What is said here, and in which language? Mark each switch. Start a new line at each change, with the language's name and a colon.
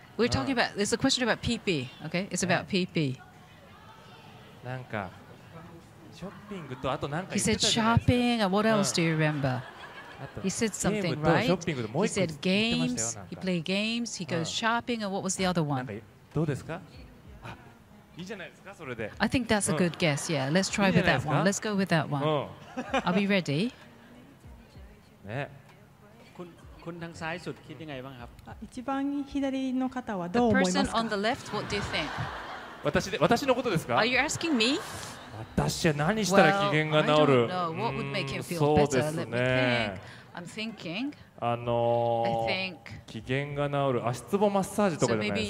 English: We're talking about, there's a question about PP, okay? It's about PP.
Japanese: なんか、ショッピングとあとなんか言ってたじゃないですか。
English: He said shopping, and what else do you remember? He said something, right? He said games, he played games, he goes shopping, and what was the other one?
Japanese: どうですか? いいじゃないですか、それで。
English: I think that's a good guess, yeah. Let's try with that one. Let's go with that one. Are we ready?
Japanese: ね、
Thai: คนทางซ้ายสุดคิดยังไงบ้างครับ
Japanese: 一番左の方はどう思いますか
English: The person on the left, what do you think?
Japanese: 私のことですか
English: Are you asking me?
Japanese: 私は何したら機嫌が治る
English: Well, I don't know. What would make him feel better?
Japanese: そうですね
English: I'm thinking I think
Japanese: 機嫌が治る足つぼマッサージとかじゃないですか